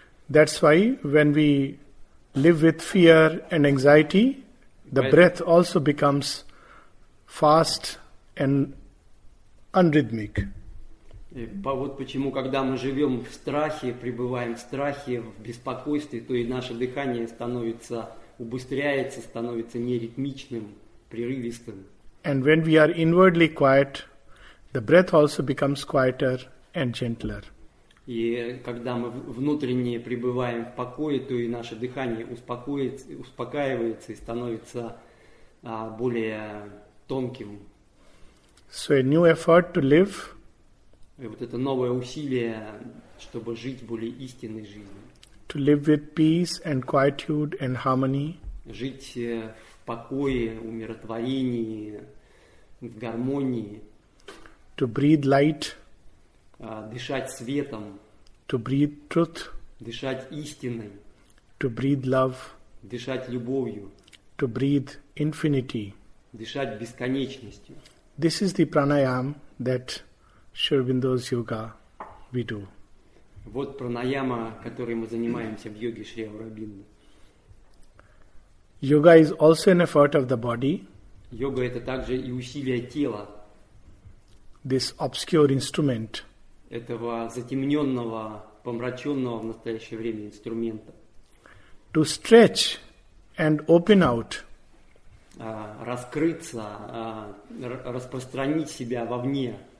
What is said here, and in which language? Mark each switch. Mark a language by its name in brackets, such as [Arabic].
[English] That's why when we live with fear and anxiety, the breath also becomes fast and unrhythmic. [Russian] Вот почему, когда мы живем в страхе, пребываем в страхе, в беспокойстве, то и наше дыхание становится убыстряется, становится неритмичным, прерывистым. [English] And when we are inwardly quiet, the breath also becomes quieter and gentler. [Russian] И когда мы внутренне пребываем в покое, то и наше дыхание успокаивается и становится более тонким. [English] So a new effort to live. [Russian] И вот это новое усилие, чтобы жить более истинной жизнью. [English] To live with peace and quietude and harmony. [Russian] Жить в покое, умиротворении, в гармонии. [English] To breathe light. [Russian] Дышать светом. [English] To breathe truth. [Russian] Дышать истиной. [English] To breathe love. [Russian] Дышать любовью. [English] To breathe infinity. [Russian] Дышать бесконечностью. [English] This is the pranayama that Шривиндос йога we do. [Russian] Вот пранаяма, которой мы занимаемся в йоге Шри Аурабинда. [English] Yoga is also an effort of the body. [Russian] Йога это также и усилие тела. [English] This obscure instrument. [Russian] Этого затемненного, помраченного в настоящее время инструмента. [English] To stretch and open out. [Russian] Раскрыться, распространить себя вовне.